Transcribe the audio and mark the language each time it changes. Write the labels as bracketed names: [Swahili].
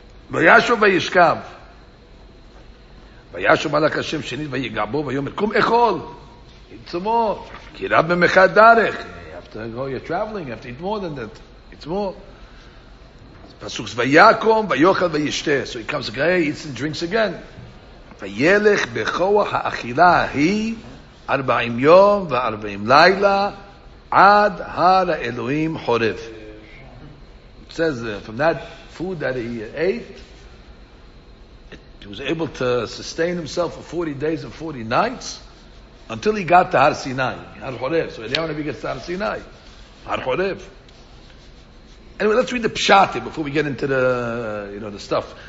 [Hebrew] וישוב וישכב וישוב מלאך השם שנית ויגע בו ויאמר קום אכול [English] eat some more [Hebrew] כי רב ממך דרך [English] you have to go, you're traveling, you have to eat more than that, eat more. [Hebrew] פסוק ויקום ויאכל וישתה. [English] So he comes again, he eats and drinks again. [Hebrew] וילך בכוח האכילה היא 40 יום ו-40 לילה עד הר האלוהים חורף. [English] It says from that food that he ate, he was able to sustain himself for 40 days and 40 nights until he got to Har Sinai, Har Horev. So now he gets to Har Sinai, Har Horev. Anyway, let's read the Pshat before we get into the stuff.